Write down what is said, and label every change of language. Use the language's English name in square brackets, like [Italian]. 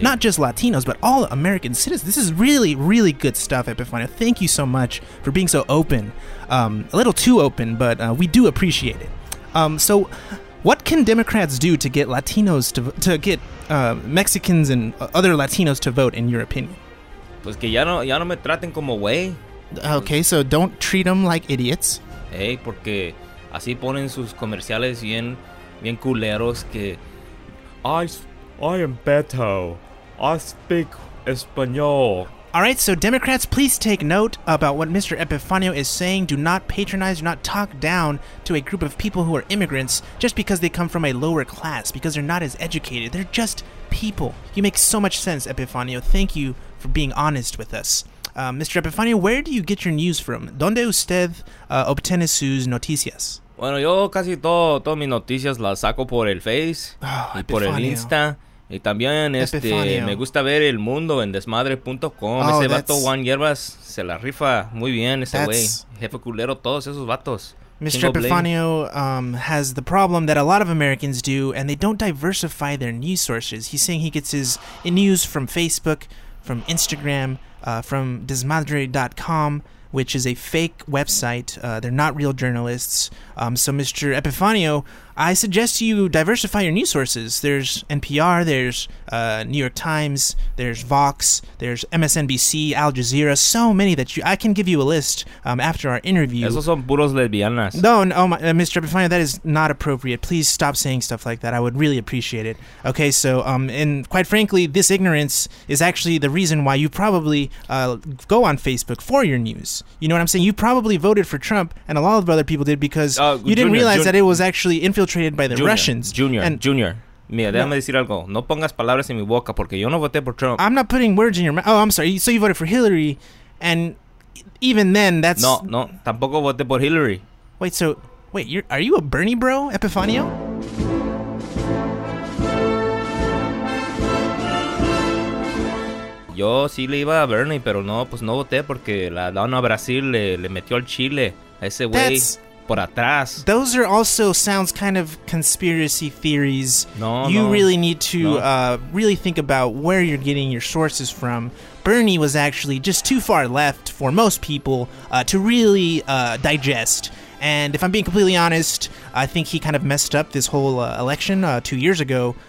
[English] Not just Latinos, but all American citizens. This is really, really good stuff, Epifanio. Thank you so much for being so open. A little too open, but we do appreciate it. So what can Democrats do to get Latinos to get Mexicans and other Latinos to vote, in your opinion? [Spanish] Pues que ya no me traten como güey. [English] Okay, so don't treat them like idiots. [Spanish] Hey, porque así ponen sus comerciales bien, bien culeros que... [English] I am Beto. I speak Espanol. All right, so Democrats, please take note about what Mr. Epifanio is saying. Do not patronize, do not talk down to a group of people who are immigrants just because they come from a lower class, because they're not as educated. They're just people. You make so much sense, Epifanio. Thank you for being honest with us. Mr. Epifanio, where do you get your news from? [Spanish] ¿Dónde usted obtiene sus noticias? Bueno, yo casi todas mis noticias las saco por el Face y por el Insta. Y también, me gusta ver El Mundo en desmadre.com. Oh, ese vato Juan Hierbas se la rifa muy bien, ese güey. Jefe culero, todos esos vatos. [English] Mr. Epifanio has the problem that a lot of Americans do, and they don't diversify their news sources. He's saying he gets his news from Facebook, from Instagram, from Desmadre.com, which is a fake website. They're not real journalists. So, Mr. Epifanio, I suggest you diversify your news sources. There's NPR, there's New York Times, there's Vox, there's MSNBC, Al Jazeera, so many that you... I can give you a list after our interview. [Spanish] Esos son puros lesbianas. [English] Mr. Epifanio, that is not appropriate. Please stop saying stuff like that. I would really appreciate it. Okay, so, and quite frankly, this ignorance is actually the reason why you probably go on Facebook for your news. You know what I'm saying? You probably voted for Trump, and a lot of other people did, because you didn't realize that it was actually... infiltrated by the Russians. [Spanish] Junior. Mira, déjame decir algo. No pongas palabras en mi boca porque yo no voté por Trump. [English] I'm not putting words in your mouth. Oh, I'm sorry. So you voted for Hillary, and even then, that's... [Spanish] No. Tampoco voté por Hillary. [English] Are you a Bernie bro, Epifanio? [Spanish] Yo sí le iba a Bernie, pero no, pues no voté porque la dona Brasil le metió al Chile a ese güey. Por atrás. [English] Those are also sounds kind of conspiracy theories. You really need to think about where you're getting your sources from. Bernie was actually just too far left for most people to really digest. And if I'm being completely honest, I think he kind of messed up this whole election 2 years ago.